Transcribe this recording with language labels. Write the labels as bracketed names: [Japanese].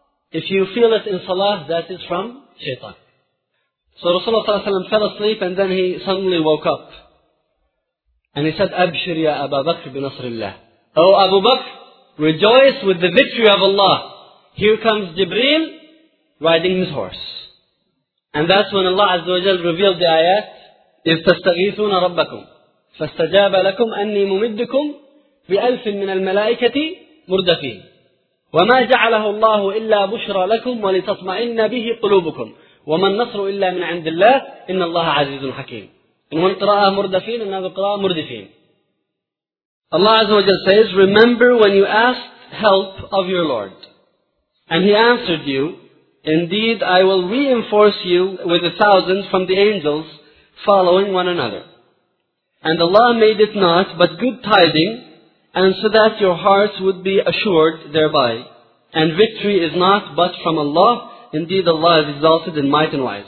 [English] If you feel it in Salah, that is from Shaitan. So Rasulullah ﷺ fell asleep and then he suddenly woke up. And he said, [Arabic] Abshir ya Abu Bakr bi Nasrillah. [English] O Abu Bakr, rejoice with the victory of Allah. Here comes Jibreel, riding his horse. [Arabic] And that's when [English] Allah Azza wa Jal revealed the ayat, إِذْ تَسْتَغِيثُونَ رَبَّكُمْ فَاسْتَجَابَ لَكُمْ أَنِّي مُمِدُّكُمْ بِأَلْفٍ مِّنَ الْمَلَائِكَةِ مُرْدَفِينَ وَمَا جَعَلَهُ اللَّهُ إِلَّا بُشْرَى لَكُمْ وَلِتَطْمَئِنَّ بِهِ قُلُوبُكُمْ وَمَنْ نَصْرُ إِلَّا مِنْ عِنْدِ اللَّهِ إِنَّ اللَّهَ عَزِيزٌ حَكِيمٌ إِنْ قِرَاءَةَ مُرْدَفِينَ إِنَّ قِرَاءَةَ مُرْدِفِينَ Allah Azza wa Jal says, remember when you asked help of your Lord. And He answered you, indeed, I will reinforce you with a thousand from the angels following one another. And Allah made it not but good tiding, and so that your hearts would be assured thereby. And victory is not but from Allah. Indeed, Allah is exalted and might and wise.